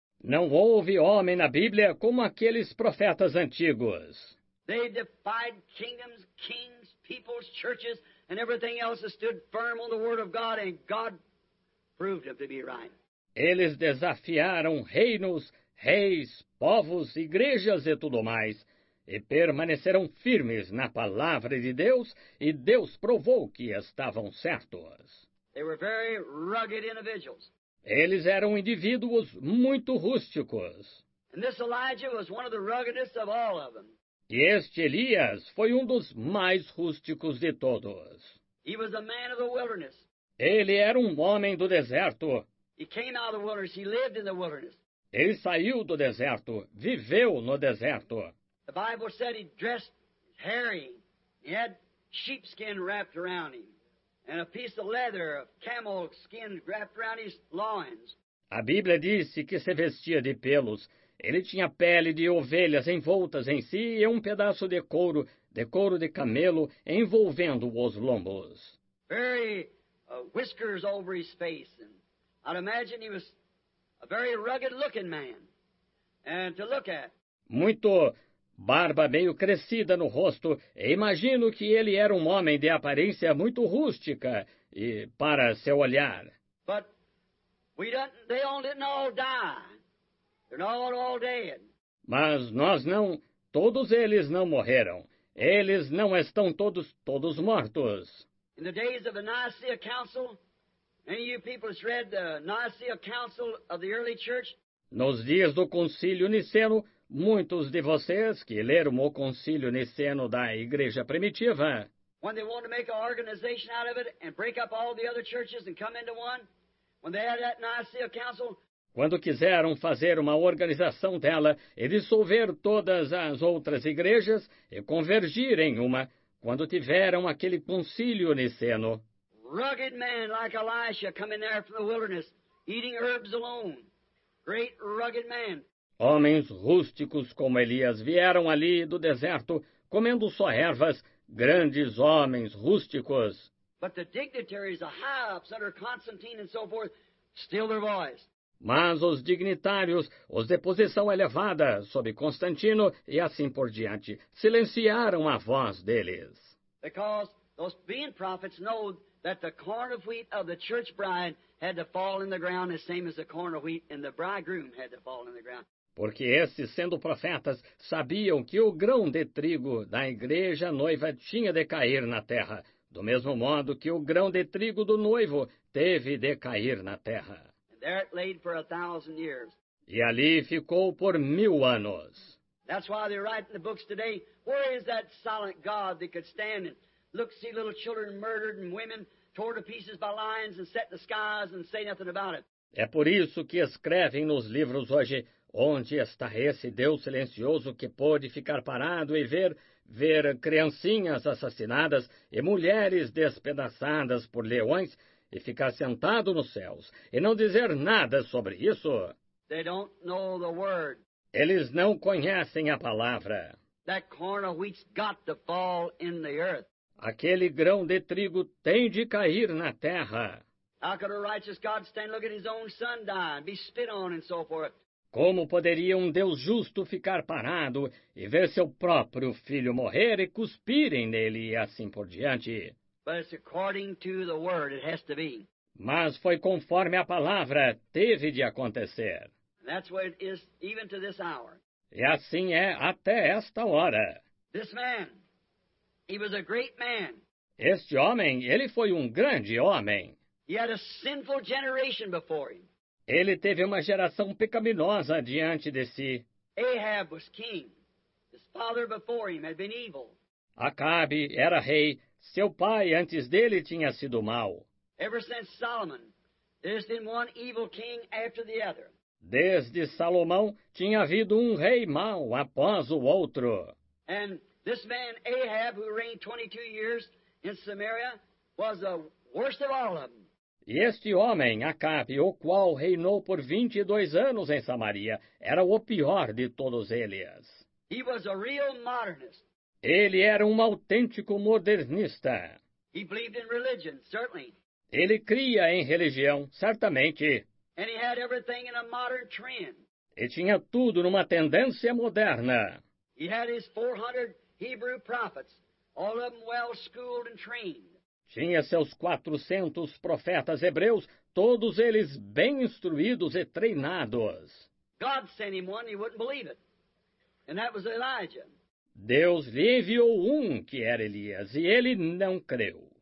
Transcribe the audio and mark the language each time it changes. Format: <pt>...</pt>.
<pt>Não houve homem na Bíblia como aqueles profetas antigos.</pt> <en>They defied kingdoms, kings, peoples, churches, and everything else that stood firm on the word of God, and God proved them to be right.</en> <pt>Eles desafiaram reinos, reis, povos, igrejas e tudo mais, e permaneceram firmes na palavra de Deus, e Deus provou que estavam certos.</pt> <en>They were very rugged individuals.</en> <pt>Eles eram indivíduos muito rústicos.</pt> <en>And this Elijah was one of the ruggedest of all of them.</en> <pt>E este Elias foi um dos mais rústicos de todos.</pt> <en>He was a man of the wilderness.</en> <pt>Ele era um homem do deserto.</pt> <en>He came out of the wilderness. He lived in the wilderness.</en> <pt>Ele saiu do deserto, viveu no deserto.</pt> <en>The Bible said he dressed hairy. He had sheepskin wrapped around him. And a piece of leather of camel skin wrapped around his loins.</en> <pt>A Bíblia disse que se vestia de pelos. Ele tinha pele de ovelhas envoltas em si e um pedaço de couro de camelo, envolvendo os lombos.</pt> <en>Very whiskers over his face. And I'd imagine he was a very rugged looking man. And to look at.</en> <pt>Muito barba meio crescida no rosto, e imagino que ele era um homem de aparência muito rústica e para seu olhar.</pt> <en>But we they all didn't all die. They're not all dead.</en> <pt>Mas nós não, todos eles não morreram. Eles não estão todos mortos.</pt> <en>In the days of the Nicaea Council, any of you people have read the Nicaea Council of the early church?</en> <pt>Nos dias do Concílio Niceno, muitos de vocês que leram o Concílio Niceno da Igreja Primitiva,</pt> <en>when they wanted to make an organization out of it and break up all the other churches and come into one, when they had that Nicaea Council,</en> <pt>quando quiseram fazer uma organização dela e dissolver todas as outras igrejas e convergir em uma, quando tiveram aquele Concílio Niceno,</pt> <en>rugged man like Elisha coming there from the wilderness, eating herbs alone, great rugged man.</en> <pt>Homens rústicos como Elias vieram ali do deserto, comendo só ervas, grandes homens rústicos.</pt> <en>But the dignitaries, the high-ups under Constantine and so forth, steal their voice.</en> <pt>Mas os dignitários, os de posição elevada sob Constantino e assim por diante, silenciaram a voz deles.</pt> <en>Because those being prophets know that the corn of wheat of the church bride had to fall in the ground the same as the corn of wheat in the bridegroom had to fall in the ground.</en> <pt>Porque esses, sendo profetas, sabiam que o grão de trigo da igreja noiva tinha de cair na terra, do mesmo modo que o grão de trigo do noivo teve de cair na terra.</pt> <en>And there it laid for a thousand years.</en> <pt>E ali ficou por mil anos.</pt> <en>That's why they write in the books today, where is that silent God that could stand and look, see little children murdered and women torn to pieces by lions and set the skies and say nothing about it?</en> <pt>É por isso que escrevem nos livros hoje, Onde está esse Deus silencioso que pode ficar parado e ver criancinhas assassinadas e mulheres despedaçadas por leões e ficar sentado nos céus e não dizer nada sobre isso?</pt> <en>They don't know the word.</en> <pt>Eles não conhecem a palavra.</pt> <en>That corn of wheat's got to fall in the earth.</en> <pt>Aquele grão de trigo tem de cair na terra.</pt> <en>How could a righteous God stand looking at his own son die, be spit on and so forth?</en> <pt>Como poderia um Deus justo ficar parado e ver seu próprio filho morrer e cuspirem nele e assim por diante?</pt> <en>But it's according to the word, it has to be.</en> <pt>Mas foi conforme a palavra, teve de acontecer.</pt> <en>That's what it is, even to this hour.</en> <pt>E assim é até esta hora.</pt> <en>This man, he was a great man.</en> <pt>Este homem, ele foi um grande homem.</pt> <en>He had a sinful generation before him.</en> <pt>Ele teve uma geração pecaminosa diante de si.</pt> <en>Ahab was king. His father before him had been evil.</en> <pt>Acabe era rei. Seu pai antes dele tinha sido mau.</pt> <en>Ever since Solomon, there's been one evil king after the other.</en> <pt>Desde Salomão, tinha havido um rei mau após o outro.</pt> <en>And this man Ahab, who reigned 22 years in Samaria, was the worst of all of them.</en> <pt>E este homem, Acabe, o qual reinou por 22 anos em Samaria, era o pior de todos eles.</pt> <en>He was a real modernist.</en> <pt>Ele era um autêntico modernista.</pt> <en>He believed in religion, certainly.</en> <pt>Ele cria em religião, certamente.</pt> <en>And he had everything in a modern trend.</en> <pt>E tinha tudo numa tendência moderna.</pt> <en>He had his 400 Hebrew prophets, all of them well schooled and trained.</en> <pt>Tinha seus 400 profetas hebreus, todos eles bem instruídos e treinados.</pt> <en>God sent him one, he wouldn't believe it. And that was Elijah.</en> <pt>Deus lhe enviou um que era Elias, e ele não creu.</pt>